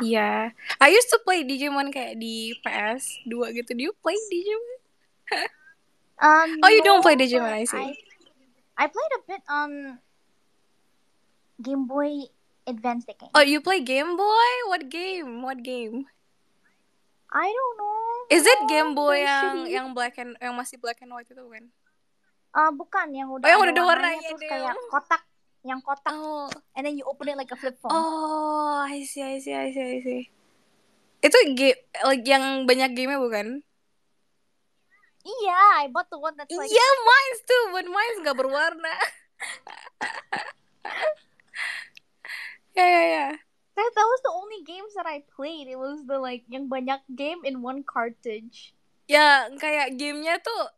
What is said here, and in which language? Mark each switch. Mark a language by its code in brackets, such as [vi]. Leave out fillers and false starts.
[en] Yeah. I used to play Digimon [id] kayak di PS2 gitu. [en] Do you play Digimon? No, don't play Digimon, I see. I played a bit on Game Boy Advance game. Oh, you play Game Boy? What game? I don't know. Is it Game Boy yang black and [id] yang masih [en] black and white [id] itu kan? Bukan yang udah. Oh, yang udah warnanya itu kayak kotak, yang kotak. Oh. [en] And then you open it like a flip phone. Oh, I see. [id] Itu game like yang banyak game-nya bukan? Iya, [en] I bought the one that's like... Yeah, mine's too, but mine's [id] gak berwarna. [en] Yeah. That was the only games that I played. It was the, like, [id] yang banyak [en] game in one cartridge. [id] Yeah, kayak gamenya tuh...